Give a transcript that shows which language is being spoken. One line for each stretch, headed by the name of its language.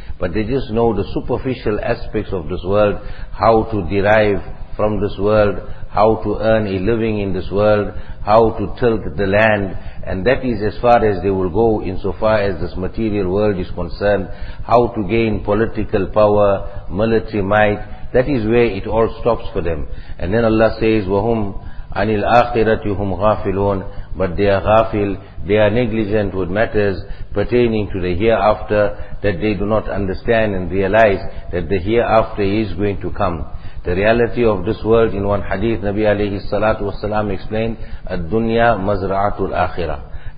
English: but they just know the superficial aspects of this world, how to derive from this world, how to earn a living in this world, how to tilt the land, and that is as far as they will go insofar as this material world is concerned, how to gain political power, military might, that is where it all stops for them. And then Allah says,
Arabic: وَهُمْ عَنِ الْآخِرَةِ هُمْ غَافِلُونَ.
English: But they are ghafil, they are negligent with matters pertaining to the hereafter, that they do not understand and realize that the hereafter is going to come. The reality of this world, in one hadith, Nabi alayhi salatu wasalam explained,
Arabic: Ad-dunya mazra'atul akhirah.